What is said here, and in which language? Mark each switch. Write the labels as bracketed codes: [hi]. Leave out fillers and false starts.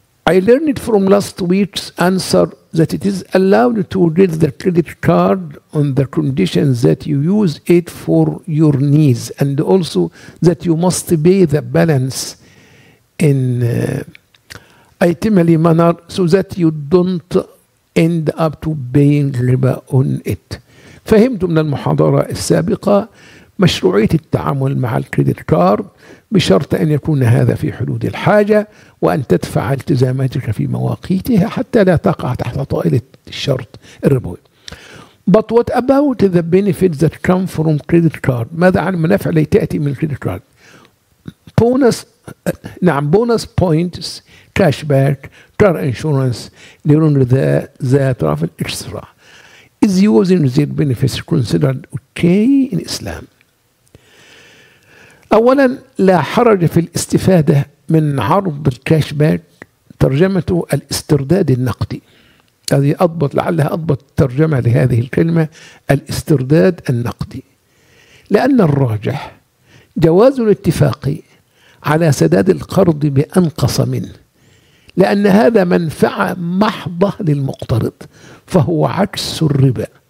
[en] I learned from last week's answer that it is allowed to get the credit card on the conditions that you use it for your needs and also that you must pay the balance in timely manner so that you don't end up to paying riba on it. [ar] فهمت من المحاضرة السابقة مشروعية التعامل مع الكريدت كارد بشرط أن يكون هذا في حدود الحاجة وأن تدفع التزاماتك في مواقيتها حتى لا تقع تحت طائلة الشرط الربوي. [en] But what about the benefits that come from credit card؟ [ar] ماذا عن المنافع التي تأتي من الكريدت كارد؟ [en] bonus points, cash back, car insurance, during the travel extra. Is using these benefits considered okay in Islam؟ [ar] أولا لا حرج في الاستفادة من عرض الكاش باك، ترجمته الاسترداد النقدي. هذه أضبط، لعلها أضبط ترجمة لهذه الكلمة، الاسترداد النقدي، لأن الراجح جواز الاتفاق على سداد القرض بأنقص منه، لأن هذا منفعة محضة للمقترض، فهو عكس الربا.